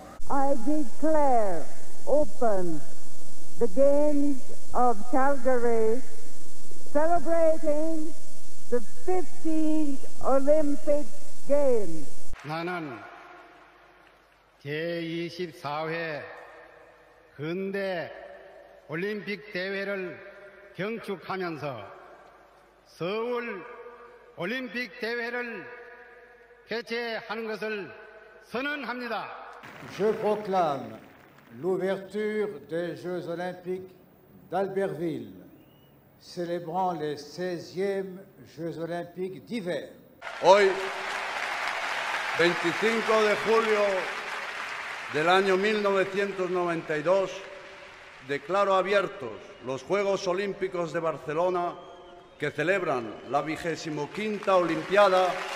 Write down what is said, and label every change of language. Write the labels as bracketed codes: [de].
[en] I declare open the Games of Calgary, celebrating the 15th Olympic Games. [ko] 나는 제24회 근대 올림픽 대회를 경축하면서 서울 올림픽 대회를 개최하는 것을 선언합니다. [fr] Je proclame l'ouverture des Jeux Olympiques d'Albertville, célébrant les 16e Jeux Olympiques d'hiver. [es] Hoy, 25 de julio del año 1992, declaro abiertos los Juegos Olímpicos de Barcelona, que celebran la 25ª Olimpiada